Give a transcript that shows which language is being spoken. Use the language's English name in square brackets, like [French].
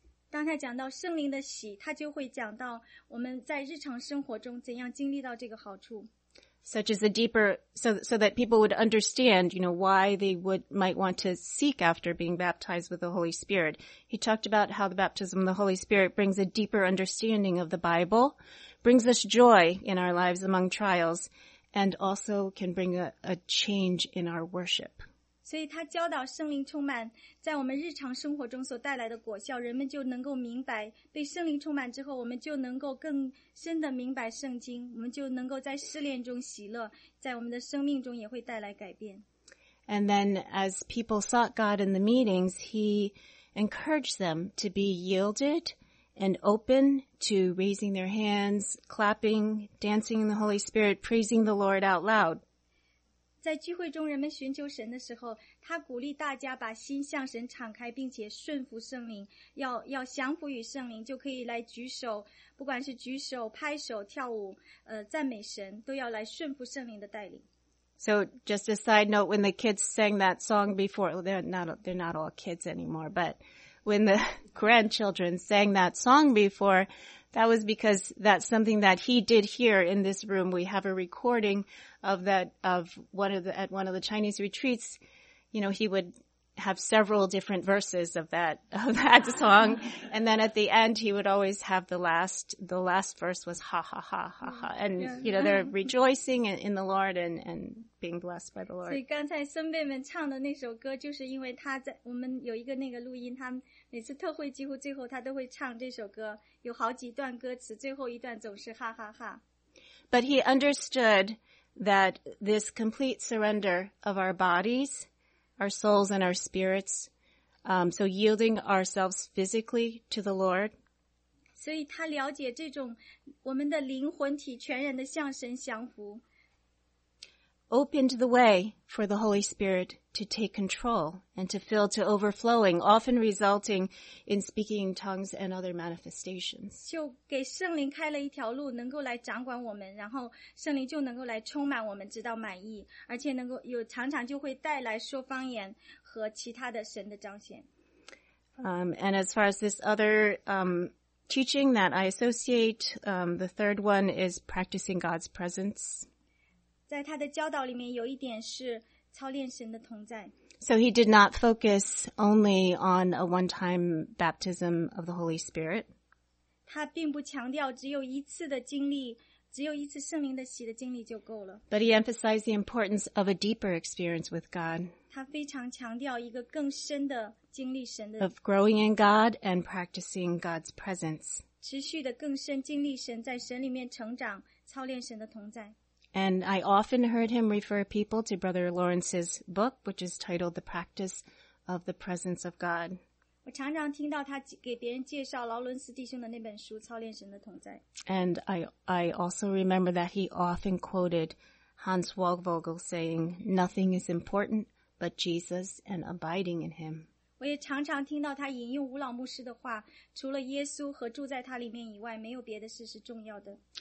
[Chinese] 当他讲到圣灵的喜，他就会讲到我们在日常生活中怎样经历到这个好处。 [English] Such as a deeper, so that people would understand, you know, why they might want to seek after being baptized with the Holy Spirit. He talked about how the baptism of the Holy Spirit brings a deeper understanding of the Bible, brings us joy in our lives among trials, and also can bring a change in our worship. [Chinese] 所以他教导圣灵充满在我们日常生活中所带来的果效，人们就能够明白，被圣灵充满之后，我们就能够更深的明白圣经，我们就能够在试炼中喜乐，在我们的生命中也会带来改变。 [English] And then as people sought God in the meetings, he encouraged them to be yielded and open to raising their hands, clapping, dancing in the Holy Spirit, praising the Lord out loud. [Chinese] 在聚会中人们寻求神的时候，他鼓励大家把心向神敞开，并且顺服圣灵，要降服于圣灵，就可以来举手，不管是举手、拍手、跳舞，赞美神，都要来顺服圣灵的带领。 [English] So just a side note, when the kids sang that song before, they're not all kids anymore, but when the grandchildren sang that song before, that was because that's something that he did here in this room. We have a recording of that, at one of the Chinese retreats. You know, he would have several different verses of that song. And then at the end, he would always have the last verse was ha, ha, ha, ha, ha. And, you know, they're rejoicing in the Lord and being blessed by the Lord. [Chinese] 所以刚才孙辈们唱的那首歌就是因为他在我们有一个那个录音，他每次特会几乎最后他都会唱这首歌，有好几段歌词，最后一段总是哈哈哈。 [English] But he understood that this complete surrender of our bodies, our souls and our spirits, So yielding ourselves physically to the Lord. [Chinese] 所以他了解这种我们的灵魂体全然的向神降服。 [English] Opened the way for the Holy Spirit to take control and to fill to overflowing, often resulting in speaking in tongues and other manifestations. [Chinese] 就给圣灵开了一条路，能够来掌管我们，然后圣灵就能够来充满我们，直到满意，而且能够有常常就会带来说方言和其他的神的彰显。 [English] And as far as this other teaching that I associate, the third one is practicing God's presence. [Chinese] 在他的教导里面有一点是操练神的同在。 [English] So he did not focus only on a one-time baptism of the Holy Spirit. [Chinese] 他并不强调只有一次的经历，只有一次圣灵的洗的经历就够了。 [English] But he emphasized the importance of a deeper experience with God. [Chinese] 他非常强调一个更深的经历神的。 [English] Of growing in God and practicing God's presence. [Chinese] 持续的更深经历神，在神里面成长，操练神的同在。 [English] And I often heard him refer people to Brother Lawrence's book, which is titled The Practice of the Presence of God. [Chinese] 我常常听到他给别人介绍劳伦斯弟兄的那本书《操练神的同在》。 [English] And I also remember that he often quoted Hans Waldvogel saying, Nothing is important but Jesus and abiding in him. [Chinese] 我也常常听到他引用吴老牧师的话，除了耶稣和住在他里面以外，没有别的事是重要的。